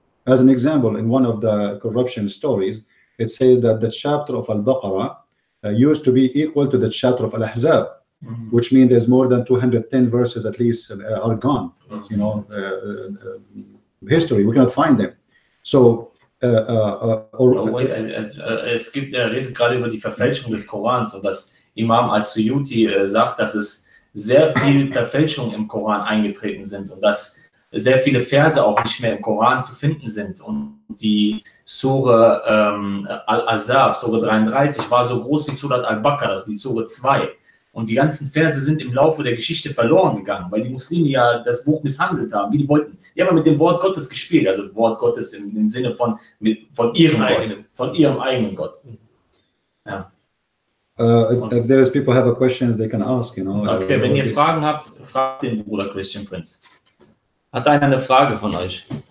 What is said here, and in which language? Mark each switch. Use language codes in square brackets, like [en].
[en] As an example, in one of the corruption stories, it says that the chapter of Al-Baqarah used to be equal to the chapter of Al-Ahzab. Mm-hmm. Which means there's more than 210 verses at least are gone, you know, history. We cannot find them. So, [de] es gibt, er redet gerade über die Verfälschung des Korans und dass Imam Al-Suyuti sagt, dass es sehr viel Verfälschung im Koran eingetreten sind und dass sehr viele Verse auch nicht mehr im Koran zu finden sind. Und die Sure Al-Azab, Sure 33, war so groß wie Surat Al-Baqarah, also die Sure 2. Und die ganzen Verse sind im Laufe der Geschichte verloren gegangen, weil die Muslime ja das Buch misshandelt haben, wie die wollten. Die haben mit dem Wort Gottes gespielt, also Wort Gottes im Sinne von ihrem eigenen Gott. Ja. [en] If there is people have a question, they can ask, you know. [de] Okay, wenn ihr Fragen habt, fragt den Bruder Christian Prince. Hat einer eine Frage von euch?